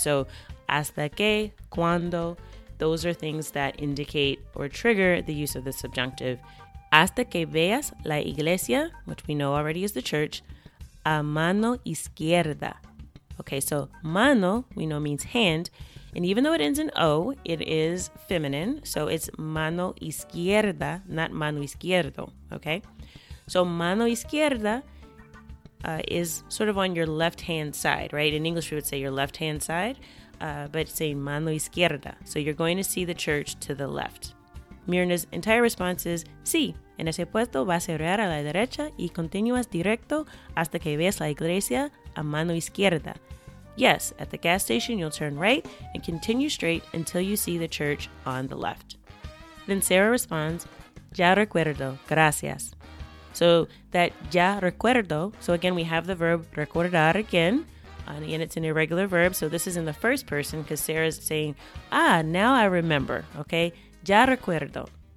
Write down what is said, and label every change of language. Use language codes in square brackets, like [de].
[en] So [es] hasta que, cuando, [en] those are things that indicate or trigger the use of the subjunctive. [es] Hasta que veas la iglesia, [en] which we know already is the church, [es] a mano izquierda. [en] Okay, so mano, we know means hand. And even though it ends in O, it is feminine. So it's mano izquierda, not mano izquierdo. Okay, so mano izquierda is sort of on your left hand side, right? In English, we would say your left hand side, but it's saying mano izquierda. So you're going to see the church to the left. Mirna's entire response is, [es] sí, en ese puesto vas a orar a la derecha y continúas directo hasta que veas la iglesia a mano izquierda. [en] Yes, at the gas station, you'll turn right and continue straight until you see the church on the left. Then Sarah responds, [es] ya recuerdo, gracias. [en] So that ya recuerdo, so again, we have the verb recordar again, and it's an irregular verb, so this is in the first person because Sarah's saying, ah, now I remember, okay? [es] Ya recuerdo.